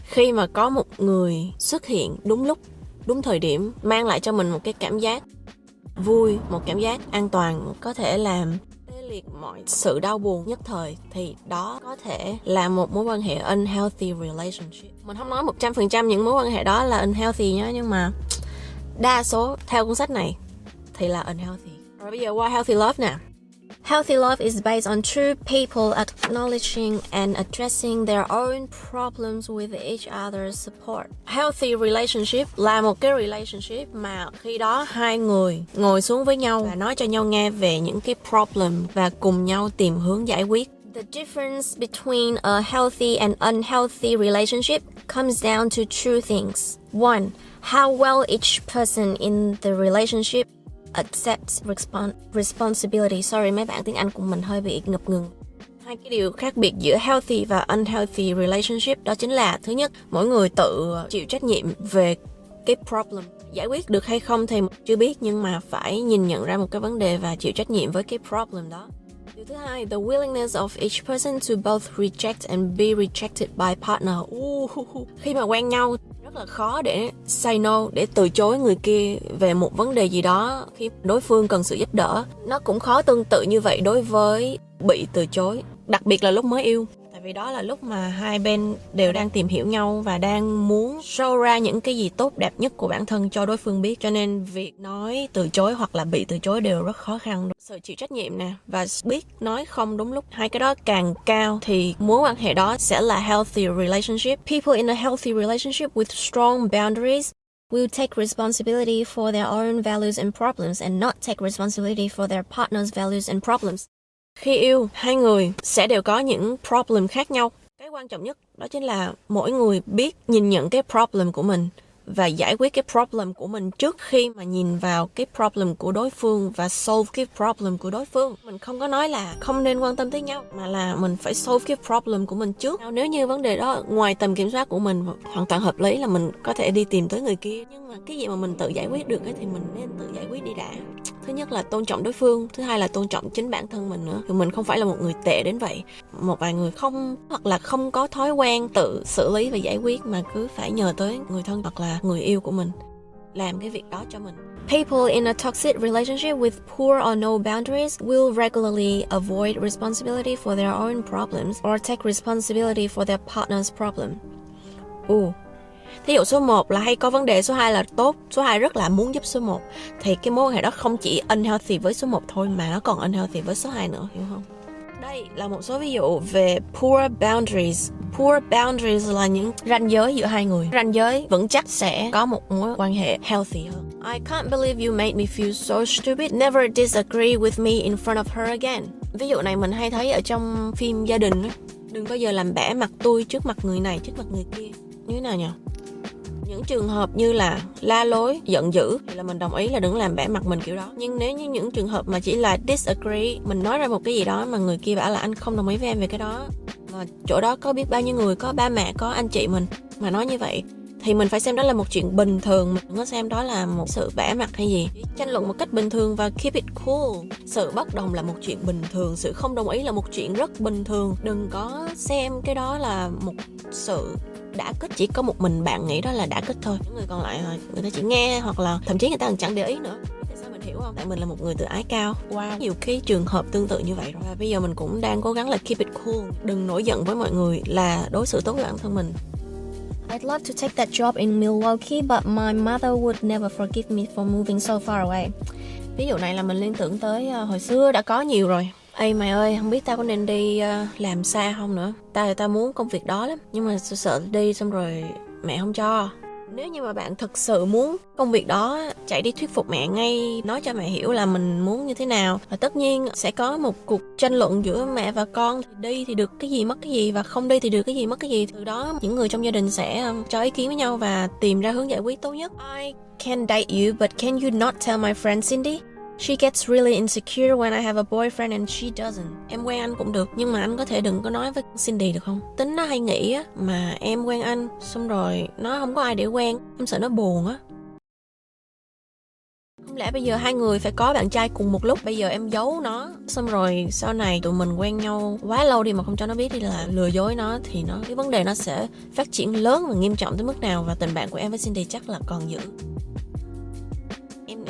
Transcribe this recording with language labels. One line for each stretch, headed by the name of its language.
Vietnamese: Khi mà có một người xuất hiện đúng lúc, đúng thời điểm, mang lại cho mình một cái cảm giác vui, một cảm giác an toàn, có thể làm tê liệt mọi sự đau buồn nhất thời thì đó có thể là một mối quan hệ
English: unhealthy relationship.
Vietnamese: Mình không nói 100% những mối quan hệ đó là unhealthy nhá, nhưng mà đa số theo cuốn sách này thì là unhealthy. Rồi bây giờ qua
English: healthy love
Vietnamese: nè.
English: Healthy love is based on two people acknowledging and addressing their own problems with each other's support. Healthy relationship
Vietnamese: là một cái relationship mà khi đó hai người ngồi xuống với nhau và nói cho nhau nghe về những cái problem và cùng nhau tìm hướng giải quyết.
English: The difference between a healthy and unhealthy relationship comes down to two things. One, how well each person in the relationship accept responsibility.
Vietnamese: Sorry, mấy bạn tiếng Anh của mình hơi bị ngập ngừng. Hai cái điều khác biệt giữa healthy và
English: unhealthy relationship
Vietnamese: đó chính là, thứ nhất, mỗi người tự chịu trách nhiệm về cái problem. Giải quyết được hay không thì chưa biết, nhưng mà phải nhìn nhận ra một cái vấn đề và chịu trách nhiệm với cái problem đó. Điều thứ hai,
English: the willingness of each person to both reject and be rejected by partner.
Vietnamese: Khi mà quen nhau rất là khó để
English: say no,
Vietnamese: để từ chối người kia về một vấn đề gì đó khi đối phương cần sự giúp đỡ. Nó cũng khó tương tự như vậy đối với bị từ chối, đặc biệt là lúc mới yêu. Tại vì đó là lúc mà hai bên đều đang tìm hiểu nhau và đang muốn show ra những cái gì tốt đẹp nhất của bản thân cho đối phương biết. Cho nên việc nói từ chối hoặc là bị từ chối đều rất khó khăn. Sự chịu trách nhiệm nè, và biết nói không đúng lúc. Hai cái đó càng cao thì mối quan hệ đó sẽ là
English: healthy relationship. People in a healthy relationship with strong boundaries will take responsibility for their own values and problems and not take responsibility for their partner's values and problems.
Vietnamese: Khi yêu, hai người sẽ đều có những problem khác nhau. Cái quan trọng nhất đó chính là mỗi người biết nhìn nhận cái problem của mình và giải quyết cái problem của mình trước khi mà nhìn vào cái problem của đối phương và solve cái problem của đối phương. Mình không có nói là không nên quan tâm tới nhau, mà là mình phải solve cái problem của mình trước. Nếu như vấn đề đó ngoài tầm kiểm soát của mình, hoàn toàn hợp lý là mình có thể đi tìm tới người kia. Nhưng mà cái gì mà mình tự giải quyết được ấy, thì mình nên tự giải quyết đi đã. Thứ nhất là tôn trọng đối phương, thứ hai là tôn trọng chính bản thân mình nữa. Thì mình không phải là một người tệ đến vậy. Một vài người không, hoặc là không có thói quen tự xử lý và giải quyết, mà cứ phải nhờ tới người thân hoặc là người yêu của mình làm cái việc đó cho mình.
English: People in a toxic relationship with poor or no boundaries will regularly avoid responsibility for their own problems or take responsibility for their partner's problem.
Vietnamese: Thí dụ số 1 là hay có vấn đề, số 2 là tốt, số 2 rất là muốn giúp số 1. Thì cái mối quan hệ đó không chỉ unhealthy với số 1 thôi, mà nó còn unhealthy với số 2 nữa, hiểu không? Đây là một số ví dụ về poor boundaries. Poor boundaries là những ranh giới giữa hai người. Ranh giới vững chắc sẽ có một mối quan hệ healthy hơn.
English: I can't believe you made me feel so stupid. Never disagree with me in front of her again.
Vietnamese: Ví dụ này mình hay thấy ở trong phim gia đình đó. Đừng bao giờ làm bẻ mặt tôi trước mặt người này, trước mặt người kia. Như thế nào nhỉ? Những trường hợp như là la lối, giận dữ thì là mình đồng ý là đừng làm bẻ mặt mình kiểu đó. Nhưng nếu như những trường hợp mà chỉ là disagree, mình nói ra một cái gì đó mà người kia bảo là anh không đồng ý với em về cái đó, mà chỗ đó có biết bao nhiêu người, có ba mẹ, có anh chị mình mà nói như vậy, thì mình phải xem đó là một chuyện bình thường. Mình không có xem đó là một sự bẻ mặt hay gì. Tranh luận một cách bình thường và
English: keep it cool.
Vietnamese: Sự bất đồng là một chuyện bình thường, sự không đồng ý là một chuyện rất bình thường. Đừng có xem cái đó là một sự đã kết, chỉ có một mình bạn nghĩ đó là đã kết thôi. Những người còn lại người ta chỉ nghe, hoặc là thậm chí người ta còn chẳng để ý nữa. Tại sao mình hiểu không? Tại mình là một người tự ái cao. Wow. Nhiều cái trường hợp tương tự như vậy rồi. Và bây giờ mình cũng đang cố gắng là
English: keep it cool.
Vietnamese: Đừng nổi giận với mọi người, là đối xử tốt với bản thân mình.
English: I'd love to take that job in Milwaukee, but my mother would never forgive me for moving so far away.
Vietnamese: Ví dụ này là mình liên tưởng tới hồi xưa đã có nhiều rồi. Ê mày ơi, không biết tao có nên đi làm xa không nữa. Tao muốn công việc đó lắm, nhưng mà tao sợ đi xong rồi mẹ không cho. Nếu như mà bạn thực sự muốn công việc đó, chạy đi thuyết phục mẹ ngay, nói cho mẹ hiểu là mình muốn như thế nào. Và tất nhiên sẽ có một cuộc tranh luận giữa mẹ và con, thì đi thì được cái gì mất cái gì, và không đi thì được cái gì mất cái gì. Từ đó những người trong gia đình sẽ cho ý kiến với nhau và tìm ra hướng giải quyết tốt nhất.
English: I can date you, but can you not tell my friend Cindy? She gets really insecure when I have a boyfriend and she doesn't.
Vietnamese: Em quen anh cũng được, nhưng mà anh có thể đừng có nói với Cindy được không? Tính nó hay nghĩ á, mà em quen anh xong rồi nó không có ai để quen, em sợ nó buồn á. Không lẽ bây giờ hai người phải có bạn trai cùng một lúc, bây giờ em giấu nó, xong rồi sau này tụi mình quen nhau quá lâu đi mà không cho nó biết đi, là lừa dối nó, thì nó cái vấn đề nó sẽ phát triển lớn và nghiêm trọng tới mức nào, và tình bạn của em với Cindy chắc là còn giữ. Em